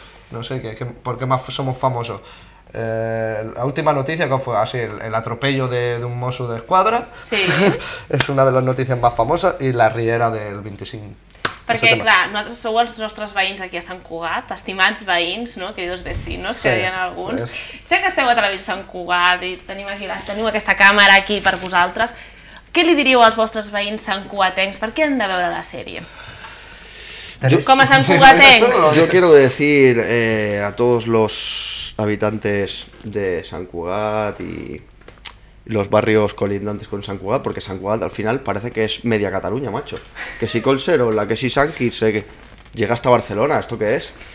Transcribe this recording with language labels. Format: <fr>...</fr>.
<es>No sé, ¿por qué más somos famosos? La última noticia que fue así, el atropello de un Mossos de Escuadra. Sí. Es una de las noticias más famosas. Y la riera del 25.</es> <ca>Perquè, clar, nosaltres sou els nostres veïns aquí a Sant Cugat, estimats veïns, no?,</ca> <es>queridos vecinos,</es> <ca>sí, que deien alguns. Sí. Ja que esteu a través de Sant Cugat i tenim aquesta càmera aquí per vosaltres, què li diríeu als vostres veïns santcugatencs? Per què han de veure la sèrie? Com a santcugatencs?</ca> <es>Yo quiero decir a todos los habitantes de Sant Cugat y los barrios colindantes con Sant Cugat, porque Sant Cugat al final parece que es media Cataluña, macho. Que si Collserola, que si Sant Quirze, que llega hasta Barcelona, ¿esto qué es?</es>